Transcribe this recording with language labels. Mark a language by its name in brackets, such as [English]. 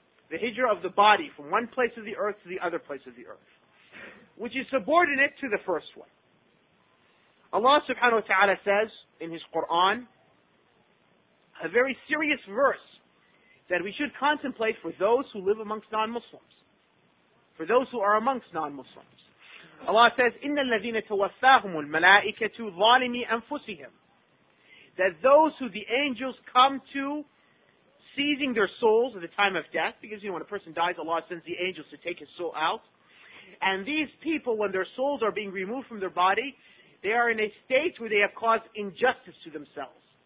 [English] The hijrah of the body from one place of the earth to the other place of the earth, which is subordinate to the first one. Allah subhanahu wa ta'ala says in his Qur'an, a very serious verse that we should contemplate for those who live amongst non-Muslims, for those who are amongst non-Muslims. Allah says, [Arabic] إِنَّ الَّذِينَ تَوَفَّاهُمُ الْمَلَائِكَةُ ظَالِمِي أَنفُسِهِمْ. [English] That those who the angels come to, seizing their souls at the time of death, because you know when a person dies, Allah sends the angels to take his soul out. And these people, when their souls are being removed from their body, they are in a state where they have caused injustice to themselves.